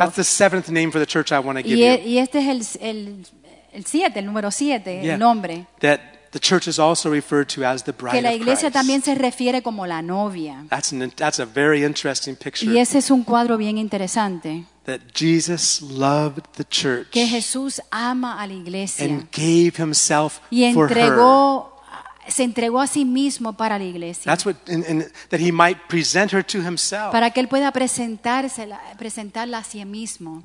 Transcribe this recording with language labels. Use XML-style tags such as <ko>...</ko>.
<en>That's the seventh name for the church I want to give you.</en> <es>Y este es el siete, el número siete, el nombre.</es> <en>That The church is also referred to as the bride of Christ.</en> <es>Que la iglesia también se refiere como la novia.</es> <en>That's a very interesting picture.</en> <es>Y ese es un cuadro bien interesante.</es> <en>that Jesus loved the church.</en> <es>Que Jesús ama a la iglesia.</es> <en>And gave himself</en> <es>y entregó,</es> <en>for her.</en> <es>Se entregó a sí mismo para la iglesia.</es> <en>That's what and that he might present her to himself.</en> <es>Para que él pueda presentarla a sí mismo.</es>